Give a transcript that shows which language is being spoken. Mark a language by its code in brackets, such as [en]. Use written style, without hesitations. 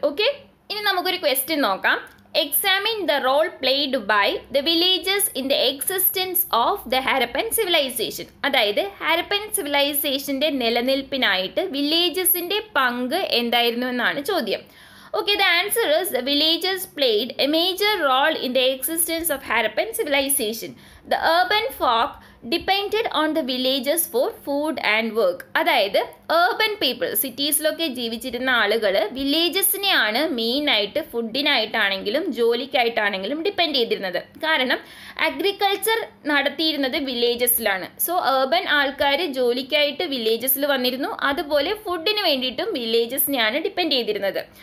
[en] okay, [ml] ഇനി നമുക്കൊരു question നോക്കാം. [en] Examine the role played by the villages in the existence of the Harappan civilization. [ml] അതായത് ഹാരപ്പൻ സിവിലൈസേഷന്റെ നിലനിൽപ്പിനായിട്ട് വില്ലേജസിന്റെ പങ്ക് എന്തായിരുന്നു എന്നാണ് ചോദ്യം. [en] Okay, the answer is the villages played a major role in the existence of Harappan civilization. The urban folk depended on the villages for food and work. [ml] അതായത് urban people, സിറ്റീസിലൊക്കെ ജീവിച്ചിരുന്ന ആളുകൾ വില്ലേജസിനെയാണ് മെയിനായിട്ട് ഫുഡിനായിട്ടാണെങ്കിലും ജോലിക്കായിട്ടാണെങ്കിലും depend ചെയ്തിരുന്നത്. കാരണം അഗ്രികൾച്ചർ നടത്തിയിരുന്നത് വില്ലേജസിലാണ്. സോ ഏർബൻ ആൾക്കാർ ജോലിക്കായിട്ട് വില്ലേജസിൽ വന്നിരുന്നു, അതുപോലെ ഫുഡിന് വേണ്ടിയിട്ടും വില്ലേജസിനെയാണ് ഡിപ്പെൻഡ് ചെയ്തിരുന്നത്.